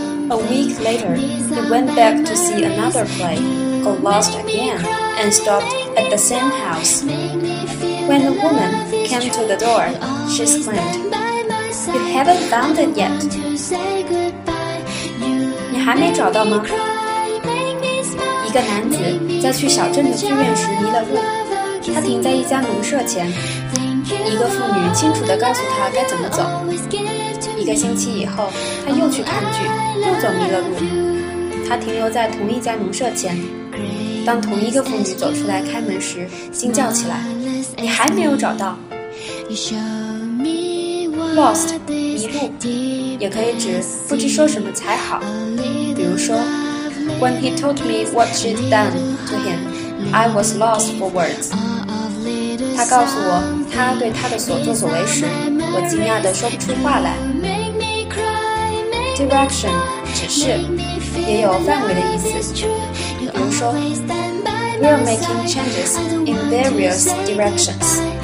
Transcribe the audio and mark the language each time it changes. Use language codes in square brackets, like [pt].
[en] A week later, he went back to see another play, got lost again, and stopped at the same house. When the woman came to the door, she exclaimed, You haven't found it yet. [zh] 你还没找到吗？一个男子在去小镇的剧院时迷了路，他停在一家农舍前，一个妇女清楚地告诉他该怎么走。一个星期以后，他又去看剧，又走迷了路，他停留在同一家农舍前。当同一个妇女走出来开门时，惊叫起来，你还没有找到。 Lost， 迷路，也可以指不知说什么才好。比如说， [en] When he told me what she'd done to him, I was lost for words. [zh] 他告诉我他对他的所作所为时，我惊讶地说不出话来。 Direction， 指示，也有范围的意思。比如说 [en] ，We are making changes in various directions.